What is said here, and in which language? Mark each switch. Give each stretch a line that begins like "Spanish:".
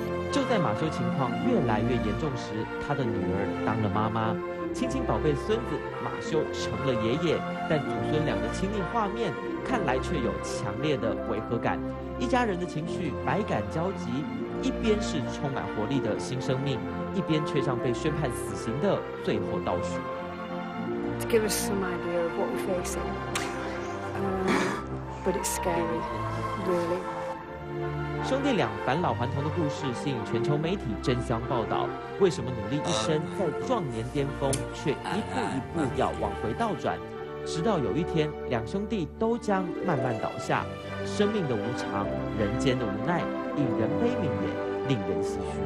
Chinese: 就在马修情况越来越严重时，他的女儿当了妈妈，亲亲宝贝孙子马修成了爷爷，但祖孙俩的亲密画面看来却有强烈的违和感，一家人的情绪百感交集，一边是充满活力的新生命，一边却像被宣判死刑的最后倒数。
English: To give us some idea of what we're facing, but it's scary, really.
Chinese: 兄弟俩返老还童的故事吸引全球媒体争相报道，为什么努力一生在壮年巅峰却一步一步要往回倒转，直到有一天两兄弟都将慢慢倒下，生命的无常，人间的无奈，引人悲悯也令人唏嘘。